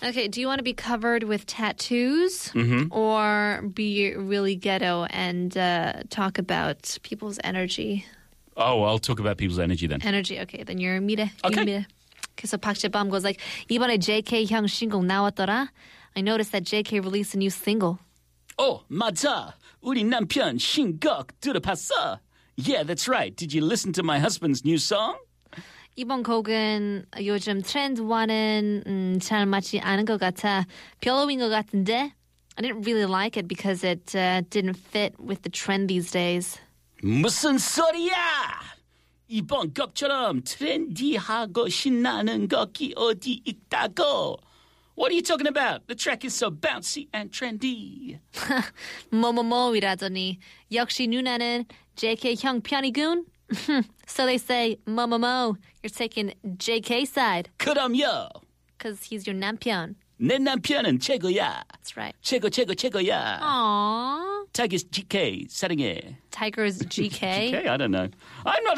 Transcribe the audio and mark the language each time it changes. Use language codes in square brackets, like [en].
[en] Okay, do you want to be covered with tattoos or be really ghetto and talk about people's energy? Oh, I'll talk about people's energy then. Energy, okay. Then you're Mire. Okay. Yunmire. Okay, so Park Jaebom goes like, [ko] 이번에 JK 형 single 나왔더라? [en] I noticed that JK released a new single. [ko] Oh, 맞아. 우리 남편 신곡 들어봤어. [en] Yeah, that's right. Did you listen to my husband's new song? [ko] 이번 곡은 요즘 트렌드와는 잘 맞지 않은 것 같아. 별로인 것 같은데. [en] I didn't really like it because it didn't fit with the trend these days. [ko] 무슨 소리야? 이번 곡처럼 트렌디하고 신나는 곡이 어디 있다고? [en] What are you talking about? The track is so bouncy and trendy. [ko] 뭐뭐뭐이라더니 역시 누나는 JK 형 편이군. [en] So they say, [ko] 뭐뭐뭐, [en] you're taking JK side. [ko] 그럼요. [en] Because he's your [ko] 남편. 내 남편은 최고야. [en] That's right. [ko] 최고, 최고, 최고야. Aww. Tiger's GK, 사랑해. [en] Tiger's GK? GK, I don't know. I'm not